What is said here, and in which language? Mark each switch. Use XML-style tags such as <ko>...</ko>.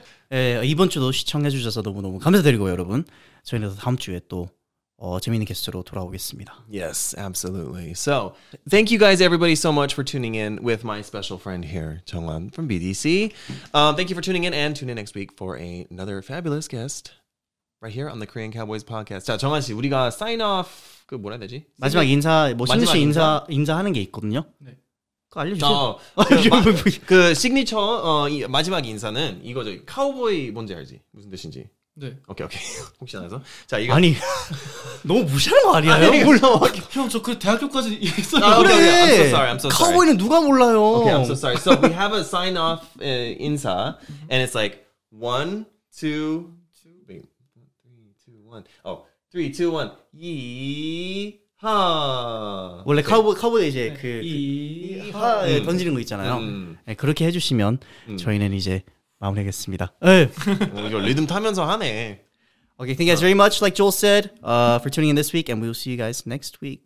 <ko>네, 이번 주도 시청해 주셔서 너무너무 감사드리고요, 여러분. 저희는 다음 주에 또 재미있는 게스트로 돌아오겠습니다.</ko> <en>Yes, absolutely. So, thank you guys, everybody, so much for tuning in with my special friend here, Junghwan from BDC. Thank you for tuning in, and tune in next week for another fabulous guest right here on the Korean Cowboys podcast.</en> <ko>자, 정한 씨, 우리가 sign off, 그 뭐라 해야 되지? 마지막 인사, 뭐 신지 씨 인사하는 게 있거든요. 네. 그거 알려주세요. 그 시그니처 마지막 인사는 이거죠. 카우보이 뭔지 알지? 무슨 뜻인지? 네. 오케이. 혹시 안 해서. 자, 이거 아니. 너무 무시하는 거 아니에요? 몰라. 형, 저 그 대학교까지 있어. 아, 그래.</ko> <en>Okay. I'm so sorry.</en> <ko>카우보이는 누가 몰라요?</ko> <en>Okay, I'm so sorry. So, we have a sign off 인사 and it's like 1 2 3 2 1.</en> <ko>3 2 1. 이하. 원래 okay. 카우보이 이제 그 이하 던지는 거 있잖아요. 네, 그렇게 해 주시면 저희는 이제 마무리하겠습니다. 이거 리듬 타면서 하네.</ko> <en>Okay, thank you guys very much, like Joel said, for tuning in this week, and we'll see you guys next week.</en>